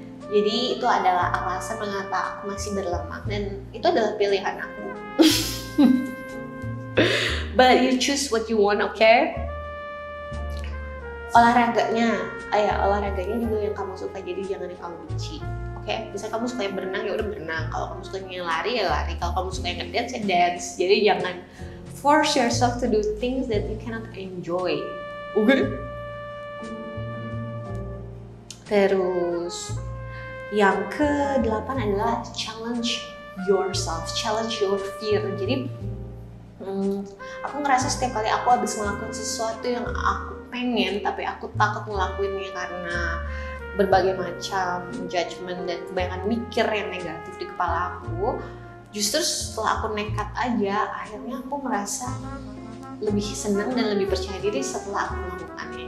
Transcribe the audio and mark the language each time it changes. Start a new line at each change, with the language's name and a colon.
Indonesian: Jadi itu adalah alasan mengapa aku masih berlemak, dan itu adalah pilihan aku.
English: But you choose what you want, okay?
Indonesian: Olahraganya, olahraganya juga yang kamu suka, jadi jangan yang kamu benci. Oke, okay, misalnya kamu suka yang berenang, ya udah berenang. Kalau kamu suka yang lari, ya lari. Kalau kamu suka yang ngedance, ya dance. Jadi jangan
English: force yourself to do things that you cannot enjoy.
Indonesian: Oke. Terus yang ke-8 adalah
English: challenge yourself, challenge your fear.
Indonesian: Jadi aku ngerasa setiap kali aku habis melakukan sesuatu yang aku pengen, tapi aku takut ngelakuinnya karena berbagai macam judgement dan kebanyakan mikir yang negatif di kepala aku, justru setelah aku nekat aja, akhirnya aku merasa lebih senang dan lebih percaya diri setelah aku melakukannya.